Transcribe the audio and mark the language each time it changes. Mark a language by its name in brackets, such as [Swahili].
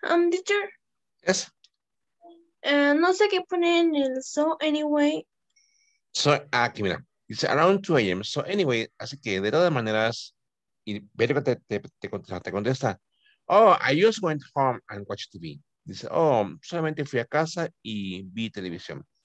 [English] teacher, Yes. [Spanish] No sé qué pone en el [English] so anyway. [Spanish] So, aquí mira, dice [English] around 2 a.m. So anyway, [Spanish] así que de todas maneras, y ver que te contesta. [English] Oh, I just went home and watched TV. [Spanish] Dice, oh, solamente fui a casa y vi televisión.